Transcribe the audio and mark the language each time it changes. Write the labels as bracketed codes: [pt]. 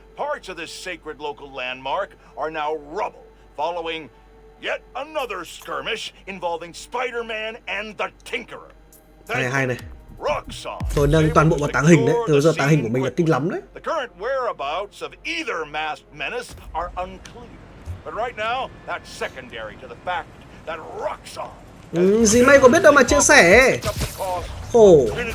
[en] Parts of this sacred local landmark are now rubble following yet another skirmish involving Spider-Man and the Tinkerer. [vi] Hay hay này. Tôi nâng toàn bộ vào táng hình đấy. Từ giờ táng hình của mình là kinh lắm đấy. [en] The current whereabouts of either masked menace are unclear. But right now, that's secondary to the fact that Roxxon. [vi] Gì mày có biết đâu mà chia sẻ. Khổ.